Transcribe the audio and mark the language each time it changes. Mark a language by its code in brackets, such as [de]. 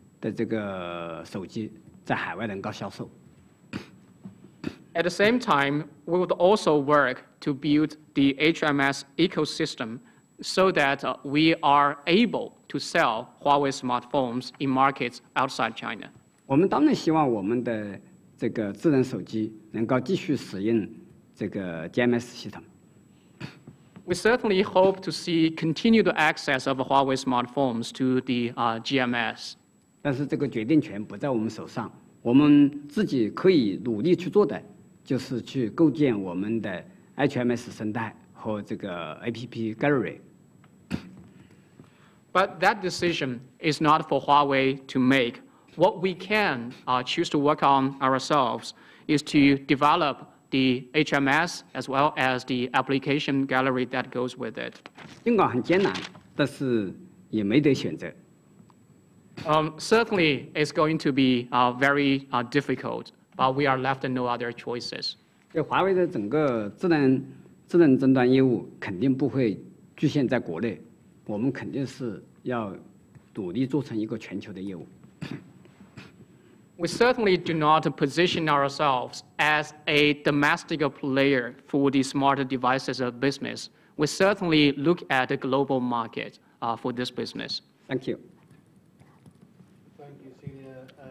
[zh] 的这个手机在海外能够销售。 [en] At the same time, we would also work to build the HMS ecosystem so that we are able to sell Huawei smartphones in markets outside China. [zh] 我们当然希望我们的这个智能手机能够继续使用这个 GMS 系统。 [en] We certainly hope to see continued access of Huawei smartphones to the GMS. [zh] 但是这个决定权不在我们手上，我们自己可以努力去做的，就是去构建我们的 HMS 生态和这个 APP Gallery。 [en] But that decision is not for Huawei to make. What we can choose to work on ourselves is to develop the HMS as well as the application gallery that goes with it. [zh] 尽管很艰难，但是也没得选择。 [en] Certainly, it's going to be very difficult, but we are left with no other choices. [zh] 这华为的整个智能终端业务肯定不会局限在国内，我们肯定是要努力做成一个全球的业务。 [en] We certainly do not position ourselves as a domestic player for the smart devices of business. We certainly look at the global market for this business. Thank you. Thank you, Senior.